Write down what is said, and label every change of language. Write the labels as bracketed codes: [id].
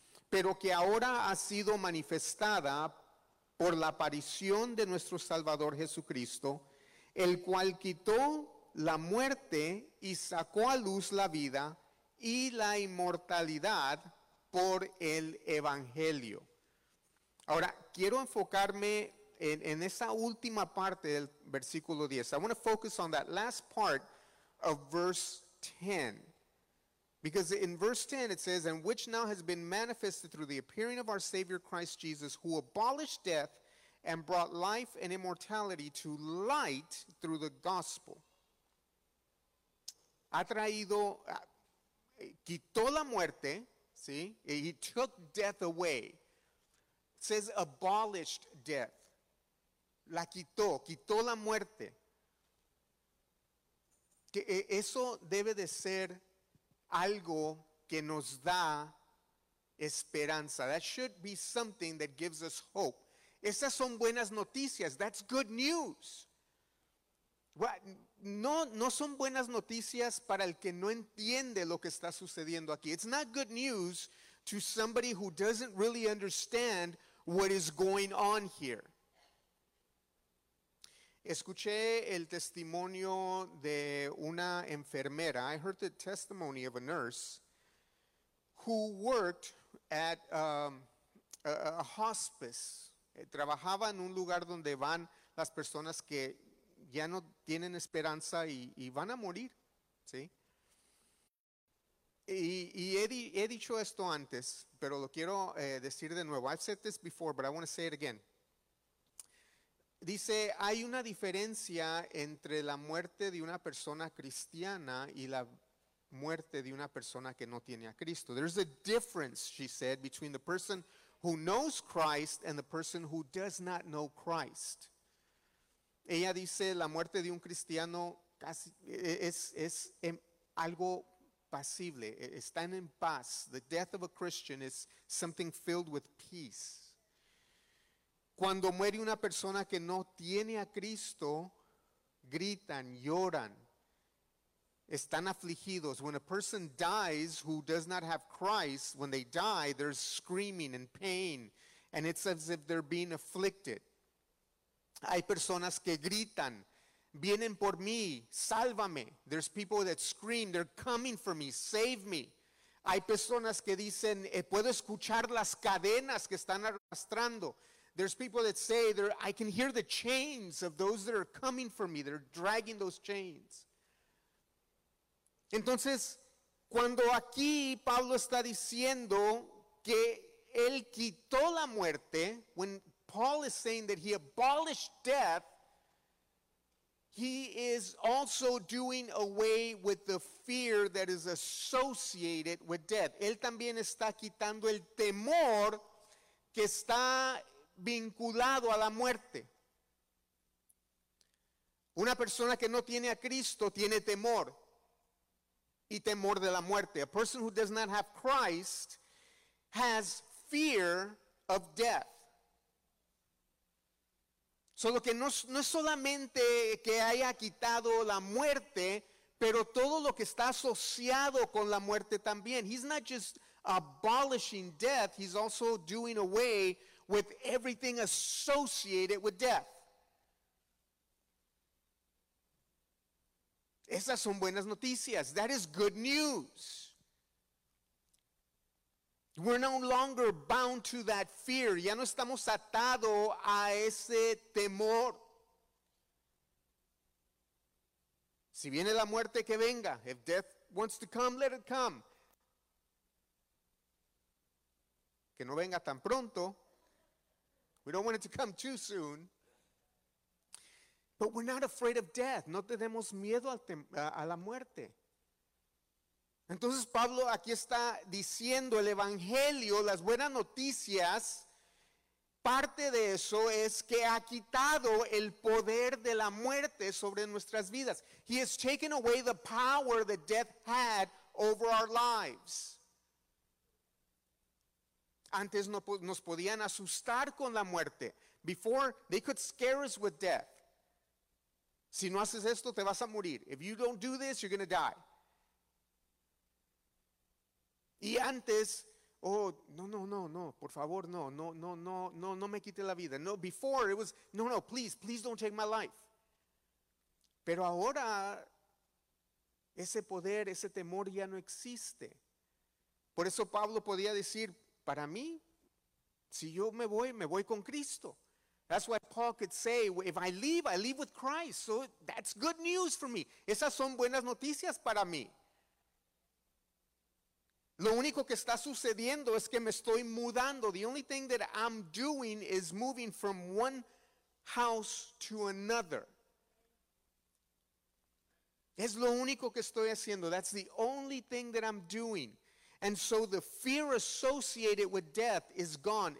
[es] pero que ahora ha sido manifestada por la aparición de nuestro Salvador Jesucristo, el cual quitó la muerte y sacó a luz la vida y la inmortalidad por el Evangelio. Ahora, quiero enfocarme en esa última parte del versículo 10. [en] I want to focus on that last part of verse 10. Because in verse 10 it says, "And which now has been manifested through the appearing of our Savior Christ Jesus, who abolished death and brought life and immortality to light through the gospel." [es] Ha traído, quitó la muerte, ¿sí? [en] He took death away. It says abolished death. [es] La quitó, quitó la muerte. Que eso debe de ser algo que nos da esperanza. [en] That should be something that gives us hope. [es] Esas son buenas noticias. [en] That's good news. [es] No son buenas noticias para el que no entiende lo que está sucediendo aquí. [en] It's not good news to somebody who doesn't really understand what is going on here. [es] Escuché el testimonio de una enfermera. [en] I heard the testimony of a nurse who worked at a hospice. [es] Trabajaba en un lugar donde van las personas que ya no tienen esperanza y van a morir, ¿sí? Y he dicho esto antes, pero lo quiero decir de nuevo. [en] I've said this before, but I want to say it again. [es] Dice, hay una diferencia entre la muerte de una persona cristiana y la muerte de una persona que no tiene a Cristo. [en] There's a difference, she said, between the person who knows Christ and the person who does not know Christ. [es] Ella dice, la muerte de un cristiano casi es algo pasible, están en paz. [en] The death of a Christian is something filled with peace. [es] Cuando muere una persona que no tiene a Cristo, gritan, lloran. Están afligidos. [en] When a person dies who does not have Christ, when they die, they're screaming in pain. And it's as if they're being afflicted. [es] Hay personas que gritan, vienen por mí, sálvame. [en] There's people that scream, they're coming for me, save me. [es] Hay personas que dicen, puedo escuchar las cadenas que están arrastrando. [en] There's people that say, I can hear the chains of those that are coming for me. They're dragging those chains. [es] Entonces, cuando aquí Pablo está diciendo que él quitó la muerte, [en] when Paul is saying that he abolished death, he is also doing away with the fear that is associated with death. [es] Él también está quitando el temor que está vinculado a la muerte. Una persona que no tiene a Cristo tiene temor. Y temor de la muerte. [en] A person who does not have Christ has fear of death. [es] Solo que no es solamente que haya quitado la muerte, pero todo lo que está asociado con la muerte también. [en] He's not just abolishing death, he's also doing away with everything associated with death. [es] Esas son buenas noticias. [en] That is good news. We're no longer bound to that fear. [es] Ya no estamos atados a ese temor. Si viene la muerte, que venga. [en] If death wants to come, let it come. [es] Que no venga tan pronto. [en] We don't want it to come too soon. But we're not afraid of death. [es] No tenemos miedo a la muerte. Entonces Pablo aquí está diciendo el evangelio, las buenas noticias. Parte de eso es que ha quitado el poder de la muerte sobre nuestras vidas. [en] He has taken away the power that death had over our lives. [es] Antes no, nos podían asustar con la muerte. [en] Before, they could scare us with death. [es] Si no haces esto, te vas a morir. [en] If you don't do this, you're going to die. [es] Y antes, oh, no, por favor, no me quite la vida. [en] No, before it was, no, please don't take my life. [es] Pero ahora, ese poder, ese temor ya no existe. Por eso Pablo podía decir, para mí, si yo me voy con Cristo. [en] That's why Paul could say, if I leave with Christ. So that's good news for me. [es] Esas son buenas noticias para mí. Lo único que está sucediendo es que me estoy mudando. [en] The only thing that I'm doing is moving from one house to another. [es] Es lo único que estoy haciendo. [en] That's the only thing that I'm doing. And so the fear associated with death is gone.